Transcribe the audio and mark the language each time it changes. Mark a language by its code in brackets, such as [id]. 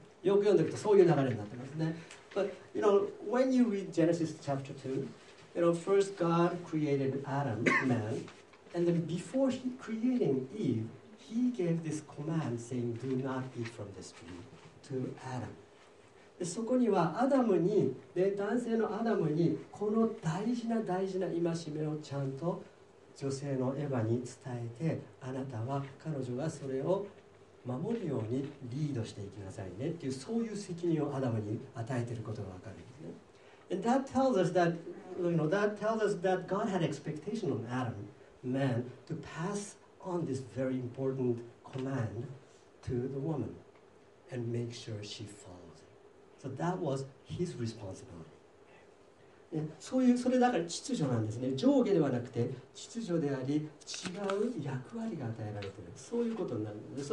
[ja] よく読んでいくとそういう流れになってますね。 [en] But you know, when you read Genesis chapter 2, you know, first God created Adam, man, and then before he creating Eve, he gave this command saying, do not eat from this tree to Adam. [ja] でそこにはアダムに、ね、男性のアダムにこの大事な大事な戒めをちゃんと女性のエヴァに伝えて、あなたは彼女がそれを守るようにリードしていきなさいねっていう、そういう責任をアダムに与えていることがわかるんですね。 [en] And that tells us that, you know, that tells us that God had expectation on Adam, man, to pass on this very important command to the woman and make sure she followsBut that was his responsibility. [ja] ね、そういう、それだから秩序なんですね。上下ではなくて秩序であり、違う役割が与えられている。そういうことになるんです。